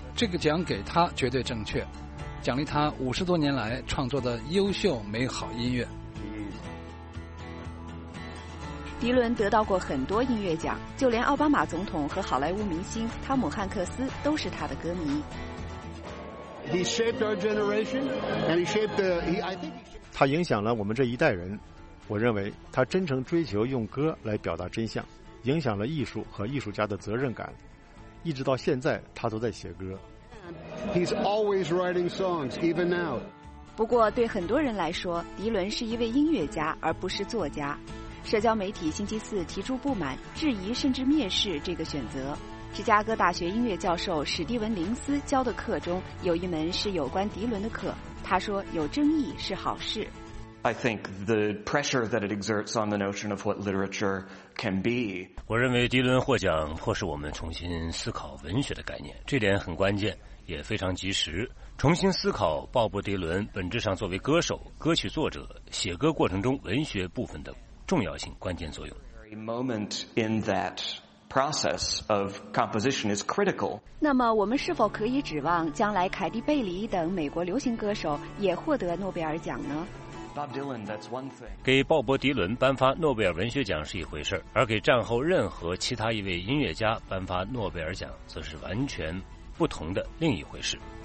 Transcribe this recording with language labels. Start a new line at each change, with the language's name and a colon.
Chinese: 这个奖给他绝对正确，奖励他50多年来创作的优秀美好音乐。迪伦得到过很多音乐奖，就连奥巴马总统和好莱坞明星汤姆汉克斯都是他的歌迷。
English: He shaped our generation, and he shaped the. I think
Chinese: 他影响了我们这一代人。我认为他真诚追求用歌来表达真相，影响了艺术和艺术家的责任感。一直到现在，他都在写歌。
English: He's always writing songs, even now.
Chinese: 不过，对很多人来说，迪伦是一位音乐家，而不是作家。社交媒体星期四提出不满，质疑甚至蔑视这个选择。芝加哥大学音乐教授史蒂文·林斯教的课中有一门是有关迪伦的课，他说有争议是好事。
English: I think the pressure that it exerts on the notion of what literature can be.
Chinese: 我认为迪伦获奖迫使我们重新思考文学的概念，这点很关键，也非常及时。重新思考鲍勃·迪伦本质上作为歌手、歌曲作者、写歌过程中文学部分的重要性、关键作用。
English: Every moment in that process of composition is critical.
Chinese: 那么，我们是否可以指望将来凯蒂·贝里等美国流行歌手也获得诺贝尔奖呢？
English: Bob Dylan, that's one thing.
Chinese: 给鲍勃·迪伦颁发诺贝尔文学奖是一回事，而给战后任何其他一位音乐家颁发诺贝尔奖，则是完全不同的另一回事。